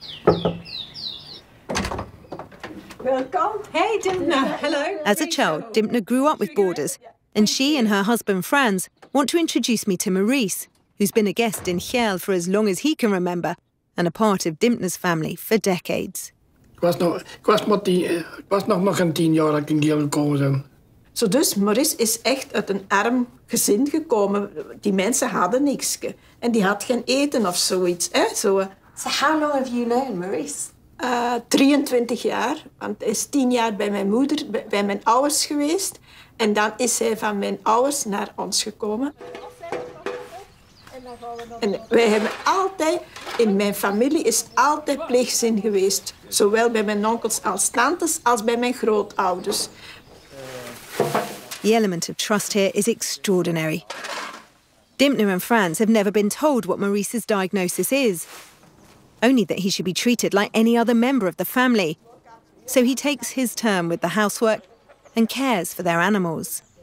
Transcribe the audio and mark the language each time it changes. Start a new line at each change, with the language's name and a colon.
English: Welcome. Hey, Dimna. Hello. As a child, Dimna grew up with boarders, and she and her husband Franz want to introduce me to Maurice, who's been a guest in Kjell for as long as he can remember and a part of Dimna's family for decades. So thus,
Dutch: Maurice is echt uit een arm gezin gekomen. Die mensen hadden niks. En die had geen eten of zoiets. Eh?
English: So how long have you known Maurice?
Dutch: 23 jaar, want hij is 10 jaar bij mijn moeder, bij mijn ouders geweest. En dan is hij van mijn ouders naar ons gekomen. En wij hebben altijd, in mijn familie is altijd pleeggezin geweest. Zowel bij mijn onkels als tantes, als bij mijn grootouders.
English: The element of trust here is extraordinary. Dimna and Franz have never been told what Maurice's diagnosis is. Only that he should be treated like any other member of the family. So he takes his turn with the housework and cares for their animals.